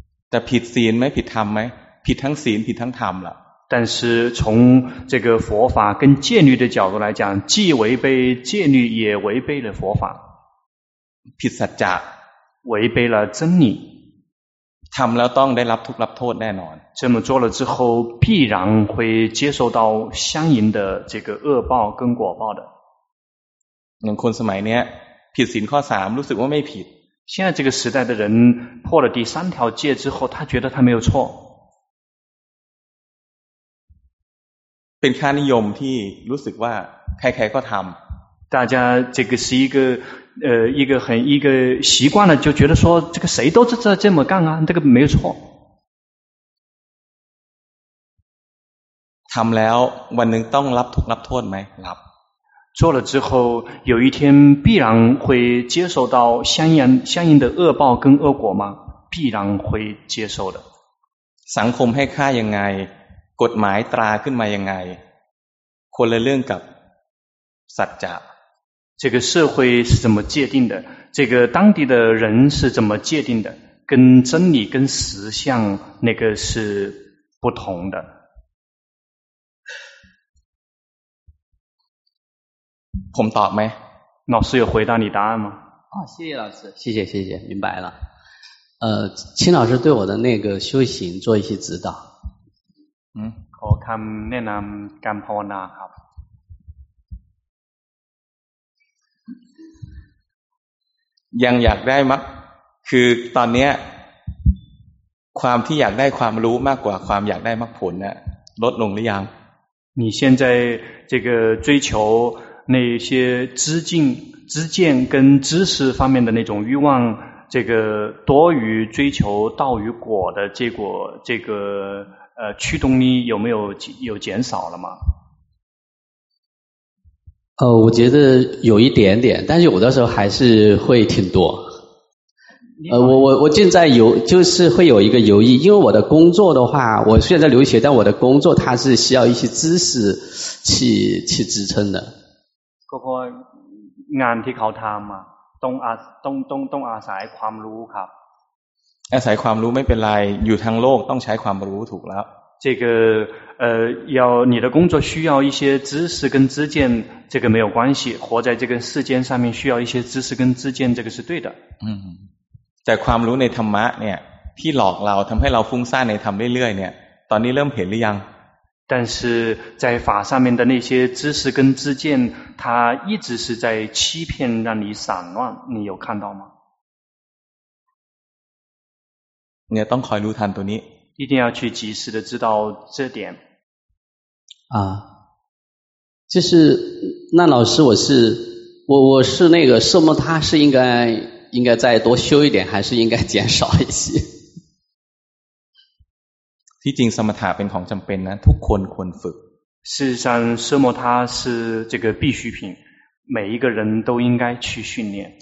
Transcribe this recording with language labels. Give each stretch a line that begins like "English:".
Thai: แต่ผิดศีลไหมผิดธรรมไหมผิดทั้งศีลผิดทั้งธรรมละ
Chinese: 但是从这个佛法跟戒律的角度来讲既违背戒律也违背了佛法
Thai: ผิดสัจจะ
Chinese: 违背了真理
Thai: ทำแล้วต้องได้รับทุกข์รับโทษแน่นอน
Chinese: 这么做了之后必然会接受到相应的这个恶报跟果报的
Thai: อย่างคนสมัยเนี้ยผิดศีลข้อ3รู้สึกว่าไม่ผิด
Chinese: 现在这个时代的人破了第三条戒之后他觉得他没有错
Thai: นค่านิยมที่รู้สึกว่าใครๆก็ทำ
Chinese: 大家这个是一个一个很一个习惯了就觉得说这个谁都是这么干啊这个没有错
Thai: ทำแล้ววันหนึ่งต้องรับทุกข์รับโทษไหม รับ
Chinese: 做了之后有一天必然会接受到相应的恶报跟恶果吗必然会接受的
Thai: สังคมให้ค่ายังไงกฎหมายตราขึ้นมายังไงคนละเรื่องกับสัจจะ
Chinese: 这个社会是怎么界定的这个当地的人是怎么界定的跟真理跟实相那个是不同的
Thai: ผมตอบไหม
Chinese: 老师有回答你答案吗啊谢谢老师谢谢明白了秦老师对我的那个修行做一些指导
Thai: 嗯ขอคำแนะนำการภาวนาครับ ยังอยากได้มั้ยคือตอนเนี้ยความที่อยากได้ความรู้มากกว่าความอยากได้มรรคผลเนี่ยลดลงหรือยัง
Chinese: 你现在这个追求那些知境知见跟知识方面的那种欲望这个多于追求道与果的结果这个驱动力有没有减少了吗我觉得有一点点但是有的时候还是会挺多我现在有就是会有一个犹豫因为我的工作的话我虽然在留学但我的工作它是需要一些知识去支撑的
Thai: ก็เพราะงานที่เขาทำอ่ะต้องอาศัยความรู้ครับ อาศัยความรู้ไม่เป็นไรอยู่ทั้งโลกต้องใช้ความรู้ถูกแล้ว
Chinese: 这个要你的工作需要一些知识跟知见这个没有关系活在这个世间上面需要一些知识跟知见这个是对的
Thai: 嗯แต่ความรู้ในธรรมะเนี่ยที่หลอกเราทำให้เราฟุ้งซ่านในธรรมเรื่อยๆเนี่ยตอนนี้เริ่มเห็นหรือยัง
Chinese: 但是在法上面的那些知识跟知见它一直是在欺骗让你散乱你有看到吗你要当快乐坦途尼一定要去及时的知道这点啊就是那老师我是那个什么他是应该再多修一点还是应该减少一些
Thai: ที่จริงสมถะเป็นของจำเป็นนะทุกคนควรฝึก
Chinese: 事实上奢摩他是这个必需品每一个人都应该去训练